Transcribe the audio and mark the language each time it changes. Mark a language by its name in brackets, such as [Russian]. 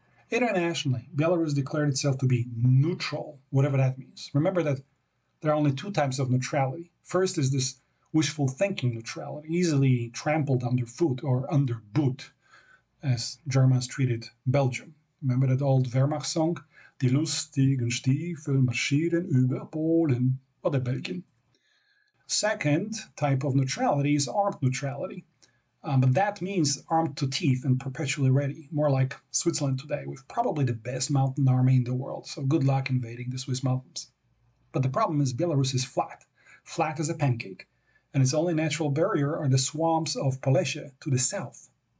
[English] Internationally, Belarus declared itself to be neutral, whatever that means. Remember that there are only two types of neutrality. First is this wishful thinking neutrality, easily trampled underfoot or under boot, as Germans treated Belgium. Remember that old Wehrmacht song, [German] Die lustigen Stiefel marschieren über Polen oder Belgien. [English] Second type of neutrality is armed neutrality. But that means armed to teeth and perpetually ready, more like Switzerland today, with probably the best mountain army in the world. So good luck invading the Swiss mountains. But the problem is Belarus is flat, flat as a pancake, and its only natural barrier are the swamps of Polesia to the south.